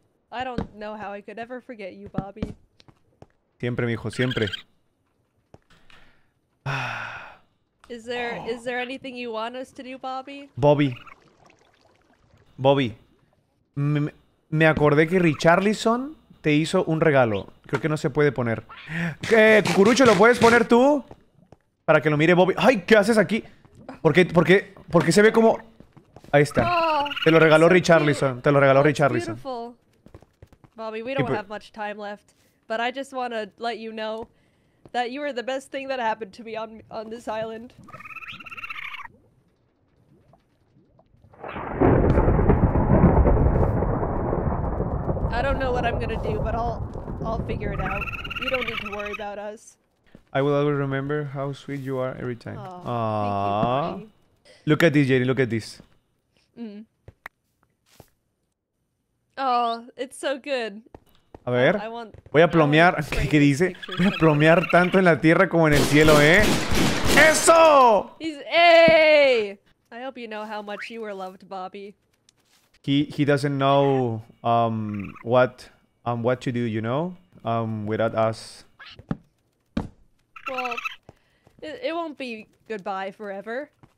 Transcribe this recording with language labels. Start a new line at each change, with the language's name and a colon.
English: I don't know how I could ever forget you, Bobby.
Spanish: Siempre, mijo, siempre.
English: Is there anything you want us to do, Bobby? Bobby.
Spanish: Me acordé que Richarlison te hizo un regalo. Creo que no se puede poner. ¿Qué, Cucurucho, lo puedes poner tú? Para que lo mire Bobby. ¡Ay! ¿Qué haces aquí? ¿Por qué se ve como...? Ahí está. Oh, te lo regaló so Richarlison. Te lo regaló Richarlison.
English: Bobby, we don't have much time left. But I just want to let you know that you are the best thing that happened to me on this island. I don't know what I'm gonna do, but I'll figure it out. You don't need to worry about us. I will always remember how sweet you are every time. Aww. Thank you, look at this, Jaiden. Look at this. Mm. Oh, it's so good.
Spanish: A ver. Voy a plomear. ¿Qué dice? Voy a plomear tanto en la tierra como en el cielo, ¿eh? ¡Eso! Hey!
English: I hope you know how much you were loved, Bobby. He doesn't know what to do, you know? Without us. Well, it won't be goodbye forever.